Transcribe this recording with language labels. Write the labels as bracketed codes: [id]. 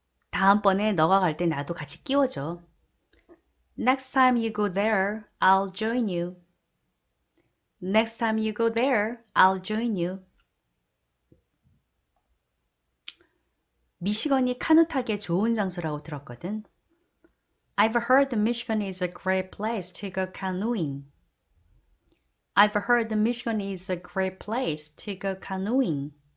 [ko] 다음번에 너가 갈때 나도 같이 끼워줘. [en] Next time you go there, I'll join you. Next time you go there, I'll join you. [ko] 미시건이 카누 타기에 좋은 장소라고 들었거든. [en] I've heard Michigan is a great place to go canoeing. I've heard Michigan is a great place to go canoeing.